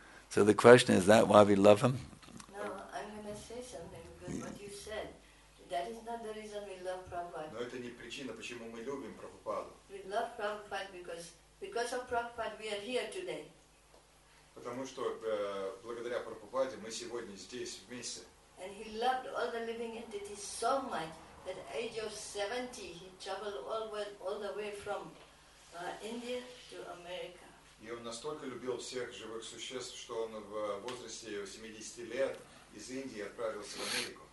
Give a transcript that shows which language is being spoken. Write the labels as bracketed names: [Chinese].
[English] So the question is that why we love him? No, I'm going to say something because what you said, that is not the reason we love Prabhupada. [Russian] Но это не причина, почему мы любим Прабхупаду. [English] We love Prabhupada because of Prabhupada we are here today. [Russian] Потому что благодаря Прабхупаде мы сегодня здесь вместе. [English] And he loved all the living entities so much that at age of 70 he traveled all the way from India to America. [Russian] И он настолько любил всех живых существ, что он в возрасте 70 лет из Индии отправился в Америку.